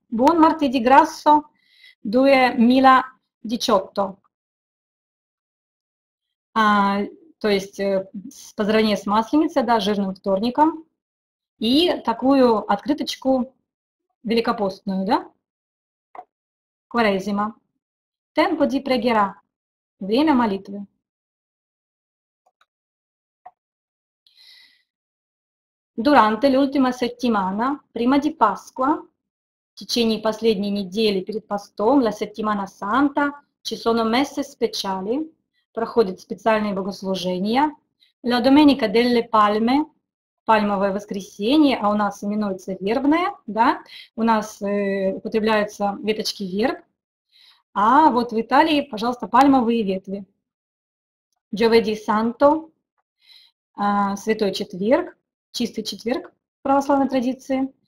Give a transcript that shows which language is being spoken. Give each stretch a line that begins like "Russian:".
Italian: Buon martedì grasso 2018.
Russian: То есть поздравление с Масленицей, да, жирным вторником, и такую открыточку великопостную, да, Quaresima.
Italian: Tempo di preghiera,
Russian: время молитвы.
Italian: Durante l'ultima settimana, prima di Pasqua,
Russian: в течение последней недели перед постом,
Italian: la settimana santa, ci sono messe speciali,
Russian: проходят специальные богослужения. La Domenica delle Palme, пальмовое воскресенье, а у нас именуется вербное, да, у нас употребляются веточки верб, а вот в Италии, пожалуйста, пальмовые ветви. Giovedì Santo, святой четверг, чистый четверг в православной традиции.